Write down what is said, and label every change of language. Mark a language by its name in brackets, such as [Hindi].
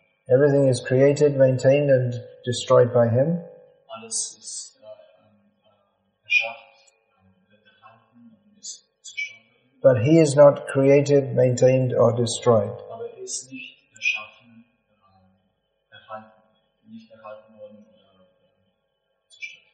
[English] everything is created, maintained, and destroyed by him. [German] Alles ist erschafft, wird erhalten und ist zerstört. [English] But he is not created, maintained, or destroyed. [German] Aber er ist nicht erschaffen, erhalten, nicht erhalten worden oder zerstört.